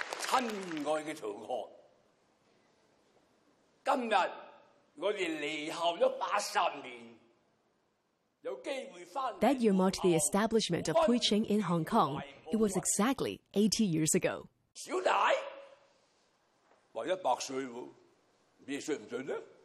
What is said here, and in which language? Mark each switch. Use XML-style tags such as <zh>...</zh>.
<yue>親愛的同學，今日我哋離校咗八十年，有機會翻。</yue> <en>That year marked the establishment of Pui Ching in Hong Kong. It was exactly 80 years ago.</en> <yue>小弟，話一百歲喎，你信唔信咧？</yue>